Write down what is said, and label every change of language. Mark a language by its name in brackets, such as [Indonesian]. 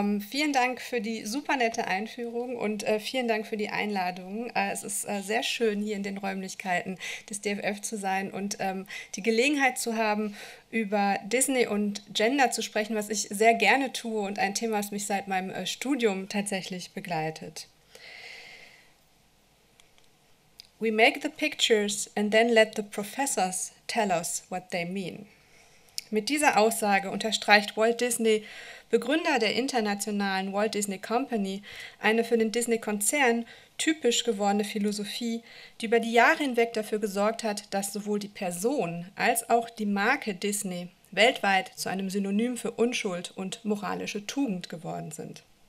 [German] Vielen Dank für die super nette Einführung und vielen Dank für die Einladung. Es ist sehr schön, hier in den Räumlichkeiten des DFF zu sein und die Gelegenheit zu haben, über Disney und Gender zu sprechen, was ich sehr gerne tue und ein Thema, das mich seit meinem Studium tatsächlich begleitet. [English] We make the pictures and then let the professors tell us what they mean. [German] Mit dieser Aussage unterstreicht Walt Disney, Begründer der internationalen Walt Disney Company, eine für den Disney-Konzern typisch gewordene Philosophie, die über die Jahre hinweg dafür gesorgt hat, dass sowohl die Person als auch die Marke Disney weltweit zu einem Synonym für Unschuld und moralische Tugend geworden sind.